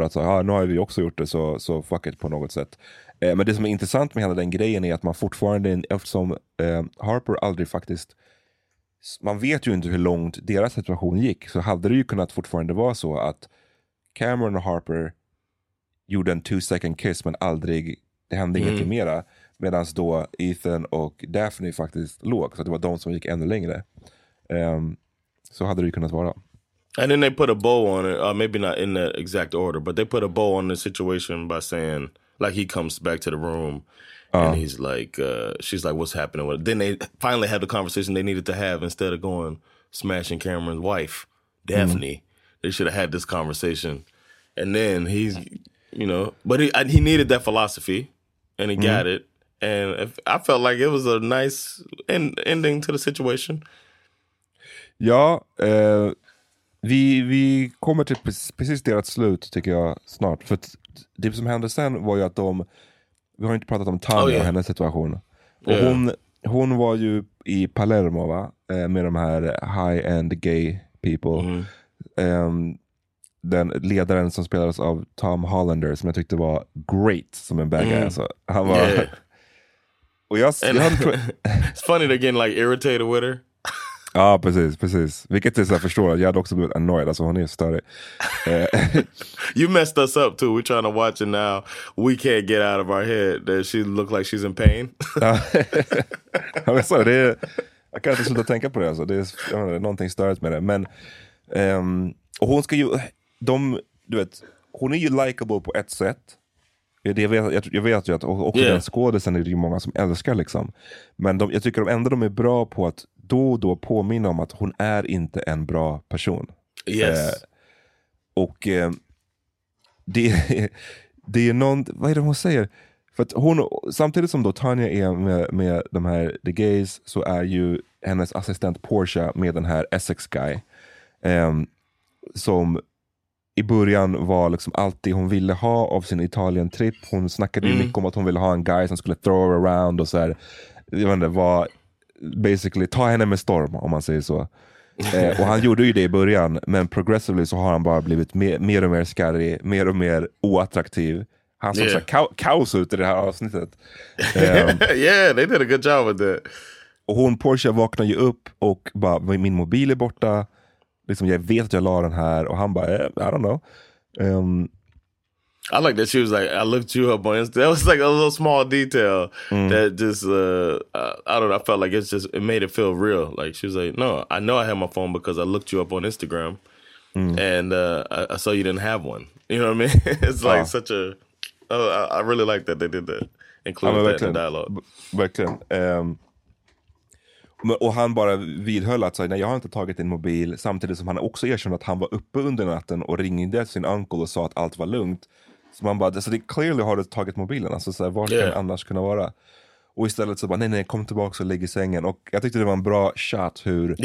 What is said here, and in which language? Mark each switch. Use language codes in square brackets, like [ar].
[sv] Att så, ah, nu har vi också gjort det, så [en] fuck it [sv] på något sätt. Men det som är intressant med hela den grejen är att man fortfarande, eftersom Harper aldrig faktiskt, man vet ju inte hur långt deras situation gick, så hade det ju kunnat fortfarande vara så att Cameron och Harper gjorde en 2-second kiss, men aldrig, det hände ingenting mera. Medan då Ethan och Daphne faktiskt låg, så det var de som gick ännu längre. Så hade det kunnat vara. [en] And then they put a bow on it, maybe not in the exact order, but they put a bow on the situation by saying, like, he comes back to the room and he's like, she's like, what's happening? Then they finally had the conversation they needed to have instead of going smashing Cameron's wife, Daphne. They should have had this conversation. And then he's, you know, but he needed that philosophy and he got it. And if, I felt like it was a nice ending to the situation. [sv] Ja, vi kommer till precis deras slut tycker jag snart. För det som hände sen var ju att de, vi har inte pratat om Tanya och hennes situation. Och hon var ju i Palermo, va? Med de här [en] high-end gay people. [sv] Den ledaren som spelades av Tom Hollander, som jag tyckte var great som en bad guy. Alltså, han var... [en] It's funny they're getting like irritated with her. [sv] Ja, ah, precis. Vilket är så jag förstår. Jag hade också blivit annoyed. Alltså, hon är större. [en] You messed us up too. We're trying to watch it now. We can't get out of our head that she looked like she's in pain. [sv] Alltså, det är, jag kan inte sluta tänka på det. Alltså. Det är, jag menar, någonting större med det. Men, och hon ska ju... De, du vet, hon är ju likable på ett sätt. Jag vet ju att också den skådelsen är det ju många som älskar. Liksom. Men de, jag tycker ändå de är bra på att då och då påminna om att hon är inte en bra person. [en] Yes. [sv] Och det är någon, vad är det hon säger? För att hon, samtidigt som då Tanya är med de här The Gays, så är ju hennes assistent Portia med den här Essex guy. Som i början var liksom alltid hon ville ha av sin Italien-trip. Hon snackade ju mycket om att hon ville ha en guy som skulle [en] throw her around [sv] och så här. Jag vet inte, var basically ta henne med storm, om man säger så. Och han gjorde ju det i början, men progressively så har han bara blivit mer och mer skarrig, mer och mer oattraktiv. Han såg såhär kaos ut i det här avsnittet. They did a good job with that. Och hon, Portia, vaknar ju upp och bara, min mobil är borta, liksom, jag vet att jag la den här. Och han bara, [en] I don't know. I like that she was like, I looked you up on Instagram. That was like a little small detail that just, I don't know, I felt like it's just, it made it feel real. Like, she was like, no, I know I had my phone because I looked you up on Instagram and I saw you didn't have one. You know what I mean? It's like such a, I really like that they did that, included that verkligen, in the dialogue. [sv] Verkligen. Och han bara vidhöll att säga, nej, jag har inte tagit din mobil, samtidigt som han också erkände att han var uppe under natten och ringde sin uncle och sa att allt var lugnt. Så man bara, alltså det är clearly har du tagit mobilen. Alltså såhär, var ska den annars kunna vara? Och istället så bara, nej nej, kom tillbaka och lägg i sängen. Och jag tyckte det var en bra chat hur...